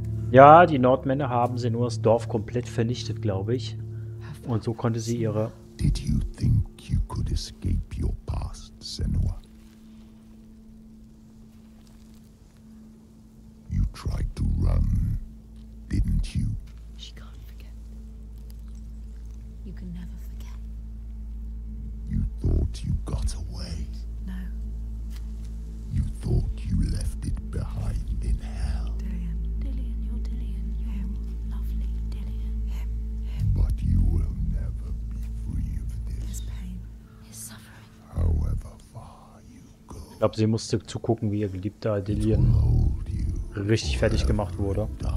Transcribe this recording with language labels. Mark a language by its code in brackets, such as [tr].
[de] Ja, die Nordmänner haben sie nur das Dorf komplett vernichtet, glaube ich. Und so konnte sie ihre... [en] Did you think you could escape your past, Senua? Tried to run, didn't you? She can't forget. You can never forget. You thought you got away. No. You thought you left it behind in hell. Dillian. Dillian, you're Dillian. Him. Lovely Dillian. Him. Him. But you will never be free of this. His pain. His suffering. However far you go. [de] Ich glaube, sie musste zugucken, wie ihr Geliebter Dillian richtig fertig gemacht wurde.